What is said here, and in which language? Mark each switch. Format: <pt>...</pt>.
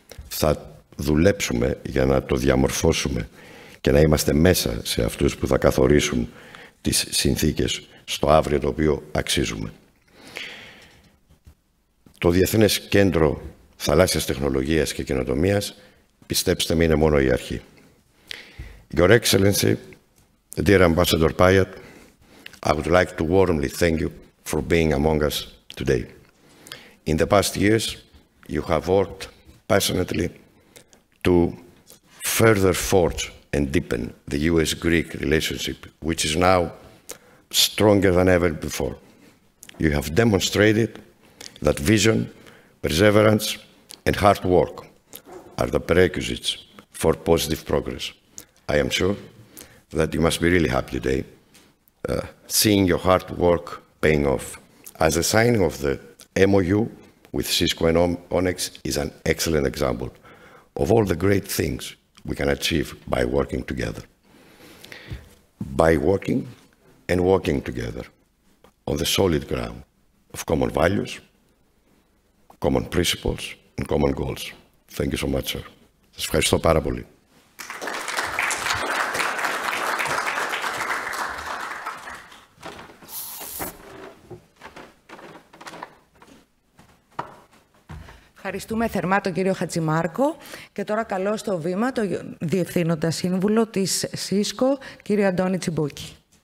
<el>Θα δουλέψουμε για να το διαμορφώσουμε και να είμαστε μέσα σε αυτούς που θα καθορίσουν τις συνθήκες στο αύριο το οποίο αξίζουμε. Το Διεθνές Κέντρο Θαλάσσιας Τεχνολογίας και Καινοτομίας, πιστέψτε με, είναι μόνο η αρχή.</el> <en>Your Excellency, dear Ambassador Payet, I would like to warmly thank you for being among us today. In the past years, you have worked passionately to further forge and deepen the US-Greek relationship, which is now stronger than ever before. You have demonstrated that vision, perseverance, and hard work are the prerequisites for positive progress. I am sure that you must be really happy today, seeing your hard work paying off. As the signing of the MOU with Cisco and Onyx is an excellent example of all the great things we can achieve by working together. By working and walking together on the solid ground of common values, common principles and common goals. Thank you so much, sir.</en> <el>Σας ευχαριστώ πάρα πολύ. Ευχαριστούμε θερμά τον κύριο Χατζημάρκο και τώρα καλώ στο βήμα το Διευθύνοντα Σύμβουλο της Cisco, κύριο Αντώνη Τσιμπούκη.</el>